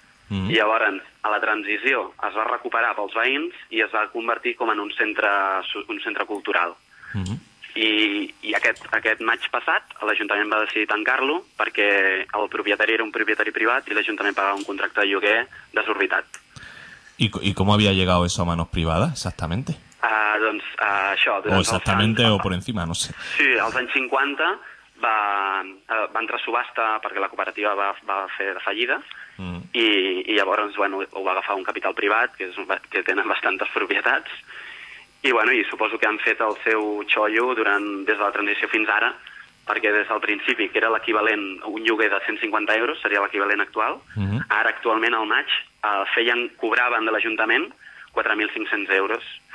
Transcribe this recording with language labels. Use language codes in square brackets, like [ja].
[ca] I llavors, a la transició, es va recuperar pels veïns i es va convertir com en un centre cultural. I aquest maig passat, l'Ajuntament va decidir tancar-lo perquè el propietari era un propietari privat i l'Ajuntament pagava un contracte de lloguer desorbitat. [es] ¿Y cómo había llegado eso a manos privadas, exactamente? [ca] Això, [es] o exactamente, o por encima, no sé. [ca] Sí, als anys 50 va entrar a subhasta perquè la cooperativa va fer de fallida i llavors, bueno, ho va agafar un capital privat, que tenen bastantes propietats, i bueno, i suposo que han fet el seu xollo des de la transició fins ara, perquè des del principi, que era l'equivalent, un lloguer de 150 euros, seria l'equivalent actual, ara actualment al maig cobraven de l'Ajuntament 4.500 euros.